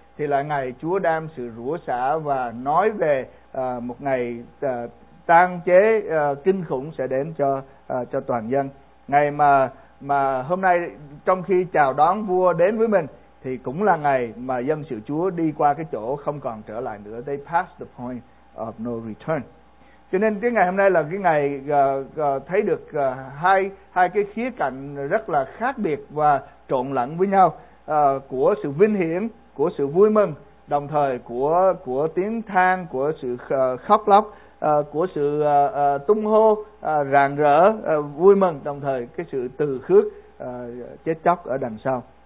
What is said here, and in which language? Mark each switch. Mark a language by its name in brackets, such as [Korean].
[Vietnamese] thì là ngày Chúa đem sự rủa xả và nói về một ngày tang chế kinh khủng sẽ đến cho toàn dân. Ngày mà hôm nay trong khi chào đón vua đến với mình thì cũng là ngày mà dân sự Chúa đi qua cái chỗ không còn trở lại nữa. [English] They passed the point of no return. [Vietnamese] Cho nên cái ngày hôm nay là cái ngày thấy được hai cái khía cạnh rất là khác biệt và trộn lẫn với nhau, của sự vinh hiển, của sự vui mừng, đồng thời của tiếng than, của sự khóc lóc, của sự tung hô, rạng rỡ, vui mừng, đồng thời cái sự từ khước, chết chóc ở đằng sau.